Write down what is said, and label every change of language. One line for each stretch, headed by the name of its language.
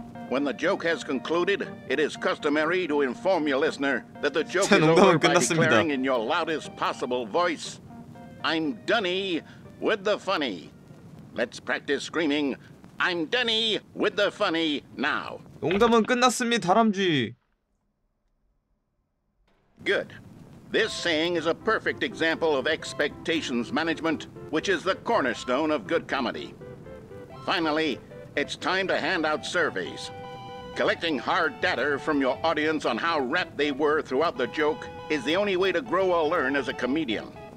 English: When the joke has concluded, it is customary to inform your listener that the joke is over by declaring in your loudest possible voice, I'm Dunny with the funny. Let's practice screaming, I'm Dunny with the funny now.
Korean: 농담은 끝났습니다, 다람쥐.
English: Good. This saying is a perfect example of expectations management, which is the cornerstone of good comedy. Finally, it's time to hand out surveys. Collecting hard data from your audience on how rapt they were throughout the joke is the only way to grow or learn as a comedian.